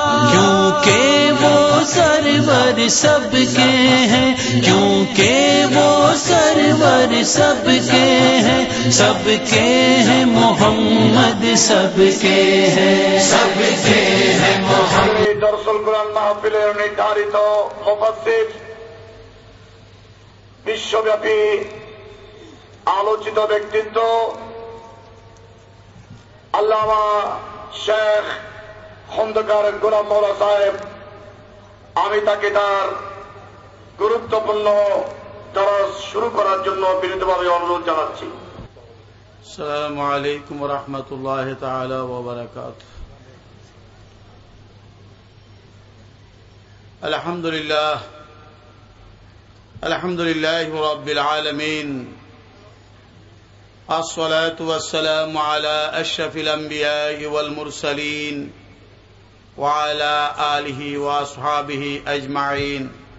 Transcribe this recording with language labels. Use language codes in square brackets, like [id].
[hi] क्योंकि वो सरवर सबके हैं, क्योंकि वो सरवर सबके हैं, सबके हैं मोहम्मद, सबके हैं, सबके हैं मोहम्मद। [bn] দরসুল কুরআন মাহফিলে নির্ধারিত মুফাসসির বিশ্বব্যাপী আলোচিত ব্যক্তিত্ব আল্লামা শেখ খন্দকার গোলাম মাওলা সাহেব, আমি তাকে তার গুরুত্বপূর্ণ দরস শুরু করার জন্য বিনীতভাবে অনুরোধ জানাচ্ছি। [ar] আসসালামু আলাইকুম ওয়া রাহমাতুল্লাহি তাআলা ওয়া বারাকাতুহু। الحمد لله، الحمد لله رب العالمين، الصلاة والسلام على أشرف الأنبياء والمرسلين وعلى آله وأصحابه أجمعين،